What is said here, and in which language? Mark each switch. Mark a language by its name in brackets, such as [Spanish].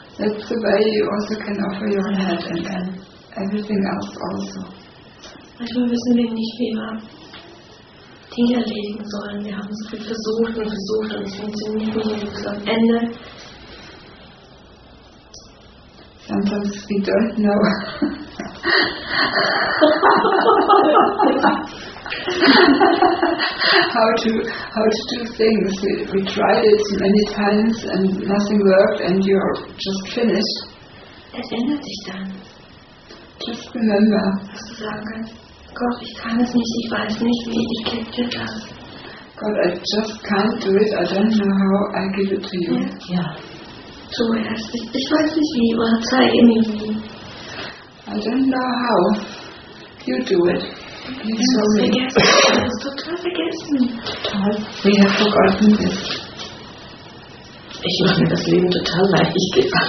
[English] That's the way you also can offer your head and then everything else also. [German] Manchmal wissen wir nicht, wie wir Dinge erledigen sollen. Wir haben so viel versucht und es funktioniert nicht. Und am Ende [English] Sometimes we don't know. how to do things. We tried it many times and nothing worked and you're just finished. [German] Das ändert sich dann. [English] Just remember. [German] Was du sagen kannst. Gott, ich kann es nicht, ich weiß nicht, wie ich gebe dir das. [English] God, I just can't do it. I don't know how I give it to you. Yeah. [German] So erst, ich weiß nicht wie, aber zeige mir wie. [English] I don't know how. You do it. You show me. [German] Das ist total vergessen. Total. [English] We have forgotten this. [German] Ich mache mir das Leben total leicht. Ich gebe